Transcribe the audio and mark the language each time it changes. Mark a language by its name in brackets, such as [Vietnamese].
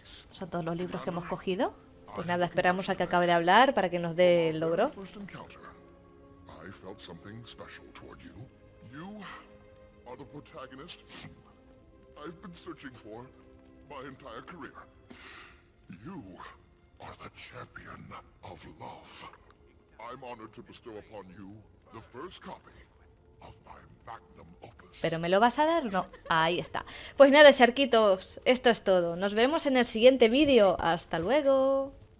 [Spanish] Son todos los libros que hemos cogido. Pues nada, esperamos a que acabe de hablar para que nos dé el logro. [English] I felt something special toward you. You are the protagonist I've been searching for my entire career. You are the champion of love. I'm honored to bestow upon you the first copy of my magnum opus. [Spanish] ¿Pero me lo vas a dar o no? Ahí está. Pues nada, charquitos, esto es todo. Nos vemos en el siguiente vídeo. Hasta luego.